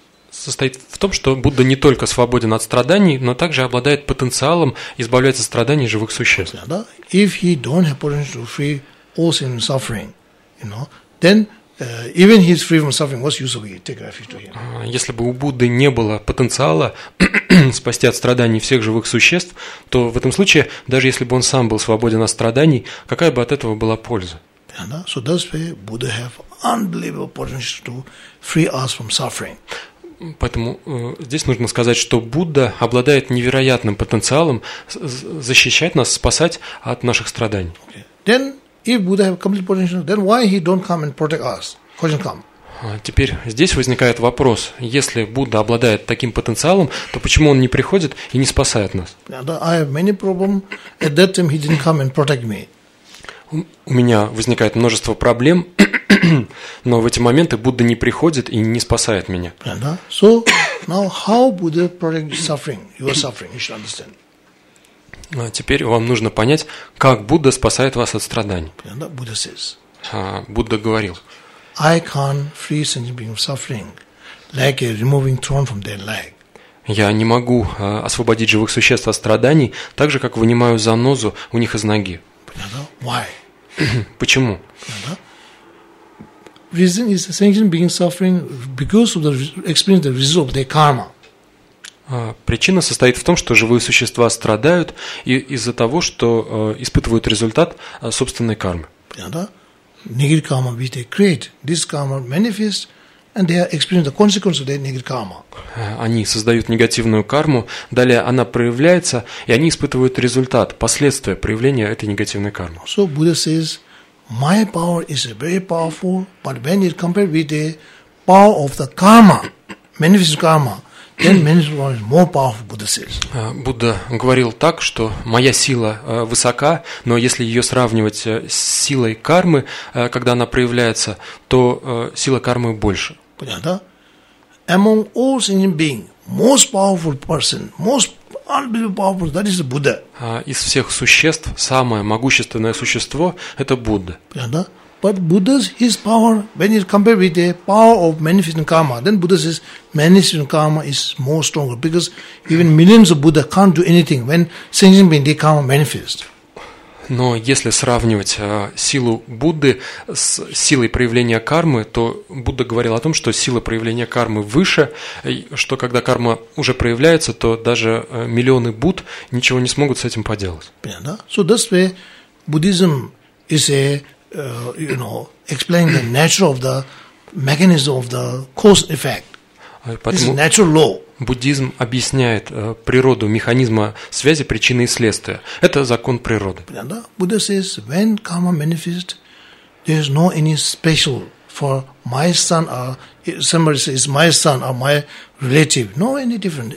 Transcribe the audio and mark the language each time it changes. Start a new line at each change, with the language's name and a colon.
Russian: Состоит в том, что Будда не только свободен от страданий, но также обладает потенциалом избавляться от страданий живых существ. Да?
English: If he don't have potential to free all sin and suffering, you know, then even his free from suffering, what's use of it? Take refuge to him.
Russian: Если бы у Будды не было потенциала спасти от страданий всех живых существ, то в этом случае, даже если бы он сам был свободен от страданий, какая бы от этого была польза? Да?
English: So that's why Buddha have unbelievable potential to free us from suffering.
Russian: Поэтому здесь нужно сказать, что Будда обладает невероятным потенциалом защищать нас, спасать от наших страданий.
English: Okay. Then, if Buddha have complete potential, then why he don't come and protect us? Question come.
Russian: Теперь здесь возникает вопрос: если Будда обладает таким потенциалом, то почему он не приходит и не спасает нас?
English: I have many problems. At that time he didn't come and protect me.
Russian: У меня возникает множество проблем, но в эти моменты Будда не приходит и не спасает меня.
English: So now how Buddha protect suffering, your suffering, you should understand.
Russian: Теперь вам нужно понять, как Будда спасает вас от страданий.
English: Buddha says.
Russian: Будда говорил.
English: I can't free sentient beings from suffering, like removing thorn from their leg.
Russian: Я не могу освободить живых существ от страданий, так же как вынимаю занозу у них из ноги.
English: Why?
Russian: Почему?
English: Reason is sentient beings suffering because of the experience the result of their karma.
Russian: Причина состоит в том, что живые существа страдают из-за того, что испытывают результат собственной кармы.
English: Negative karma which they create, this karma manifests, and they are experiencing the consequence of their negative karma.
Russian: Они создают негативную карму, далее она проявляется, и они испытывают результат, последствия проявления этой негативной кармы.
English: So Buddha says, my power is very powerful, but when it compared with the power of the karma, manifest karma.
Russian: Будда говорил так, что моя сила высока, но если ее сравнивать с силой кармы, когда она проявляется, то сила кармы больше. Понятно?
English: Among all sentient beings, most powerful person, most unbelievable powerful, that is Buddha.
Russian: Из всех существ самое могущественное существо – это Будда. Понятно?
English: But Buddha's his power when it compared with the power of manifesting karma, then Buddha says manifesting karma is more stronger because even millions of Buddha can't do anything when sentient beings they karma manifest.
Russian: Но если сравнивать силу Будды с силой проявления кармы, то Будда говорил о том, что сила проявления кармы выше, что когда карма уже проявляется, то даже миллионы Будд ничего не смогут с этим поделать. Yeah, да?
English: So that's why Buddhism is a explain the nature of the mechanism of the cause and effect. This is natural law.
Russian: Буддизм объясняет природу механизма связи причины и следствия. Это закон природы.
English: Buddha says when karma manifests, there is no any special for my son or somebody says my son or my relative. No any different.